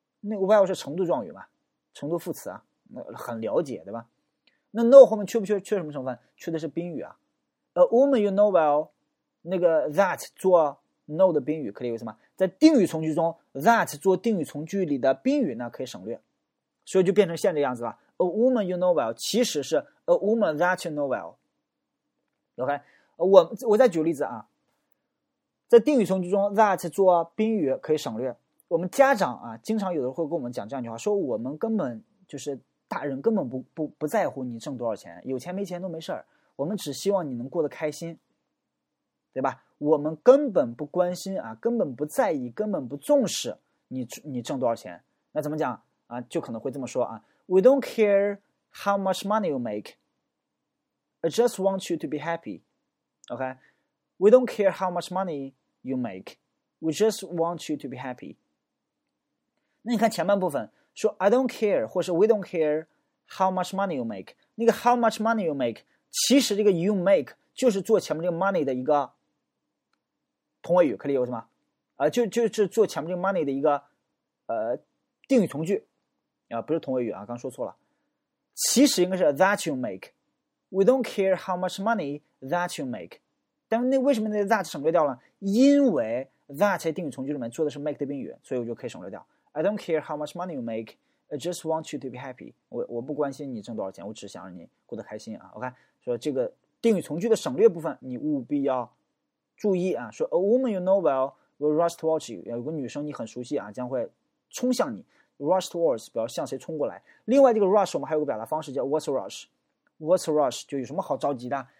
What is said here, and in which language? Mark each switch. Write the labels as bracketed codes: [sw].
[zh] 那个 well 是程度状语嘛，程度副词啊，很了解，对吧？那 know 后面缺什么成分？缺的是宾语啊。 [en] A woman you know well [zh] 那个 that 做know 的宾语可以有什么？在定语从句中 ，that 做定语从句里的宾语呢，可以省略，所以就变成现在这样子了。 [en] A woman you know well [zh] 其实是 [en] a woman that you know well。 [zh] OK， 我再举个例子啊，在定语从句中 ，that 做宾语可以省略。我们家长啊，经常有的会跟我们讲这样一句话，说我们根本就是大人根本不在乎你挣多少钱，有钱没钱都没事儿，我们只希望你能过得开心，对吧？我们根本不关心啊，根本不在意，根本不重视你挣多少钱。那怎么讲啊？就可能会这么说啊 [en] ：We don't care how much money you make, I just want you to be happy. OK, we don't care how much money you make, we just want you to be happy. [zh] 那你看前半部分说 [en] I don't care [zh] 或是 [en] We don't care how much money you make， [zh] 那个 [en] how much money you make， [zh] 其实这个 you make 就是做前面这个 money 的一个同位语，可以有什么？就是做前面这个 money 的一个定语从句啊，不是同位语啊，刚说错了。其实应该是 [en] that you make， we don't care how much money that you make。 [zh] 但那为什么那 that 省略掉了？因为 that 在定语从句里面做的是 make 的宾语，所以我就可以省略掉。 [en] I don't care how much money you make, I just want you to be happy。 [zh] 我不关心你挣多少钱，我只想让你过得开心啊。 OK， 所以这个定语从句的省略部分，你务必要注意啊，说 [en] a woman you know well will rush towards you， [zh] 有个女生你很熟悉啊，将会冲向你。 rush towards 表示向谁冲过来。另外这个 rush 我们还有个表达方式叫 [en] what's a rush， what's a rush [zh] 就有什么好着急的？